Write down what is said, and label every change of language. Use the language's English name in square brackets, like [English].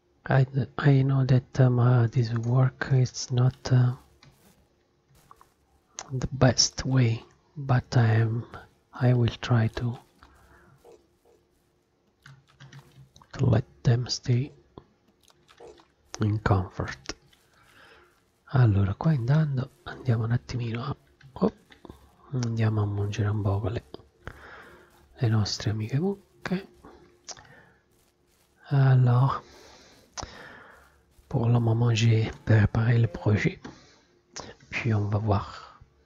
[English] I know that this work is not the best way, but I will try to let them stay in comfort. [Italian] Allora, qua intanto andiamo un attimino a andiamo a mungere un po' le nostre amiche mucche. [French] Allora, pour le moment j'ai préparé le projet, puis on va voir.